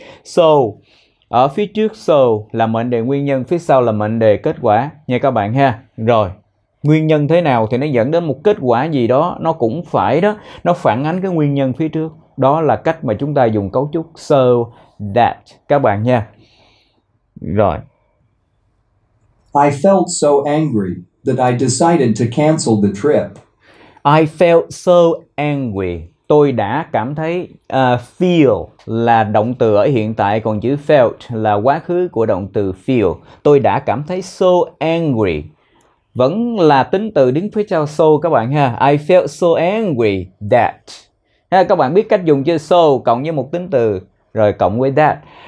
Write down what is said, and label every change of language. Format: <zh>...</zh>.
<vi>So, ở phía trước so là mệnh đề nguyên nhân, phía sau là mệnh đề kết quả nha các bạn ha. Rồi, nguyên nhân thế nào thì nó dẫn đến một kết quả gì đó, nó cũng phải đó, nó phản ánh cái nguyên nhân phía trước. Đó là cách mà chúng ta dùng cấu trúc so that các bạn nha. Rồi.</vi> <en>I felt so angry that I decided to cancel the trip. I felt so angry.</en> <vi>Tôi đã cảm thấy feel là động từ ở hiện tại, còn chữ felt là quá khứ của động từ feel. Tôi đã cảm thấy</vi> <en>so angry.</en> <vi>Vẫn là tính từ đứng phía sau so các bạn ha.</vi> <en>I felt so angry that.</en> <vi>Ha, các bạn biết cách dùng chữ so cộng với một tính từ rồi cộng với that.</vi>